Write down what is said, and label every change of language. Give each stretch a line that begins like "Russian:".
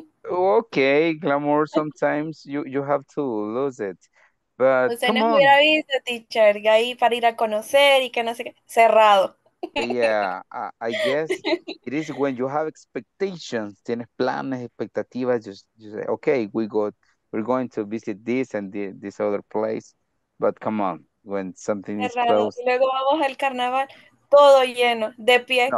English: Okay, glamour, sometimes you have to lose it, but come on.
Spanish: Teacher, ahí para ir a conocer y que no sé qué, cerrado.
English: Yeah, I guess it is when you have expectations,
Spanish: tienes planes, expectativas,
English: you say, okay, we're going to visit this and this other place, but come on, when something is closed.
Spanish: Y luego vamos al carnaval. Todo lleno, de pie, no.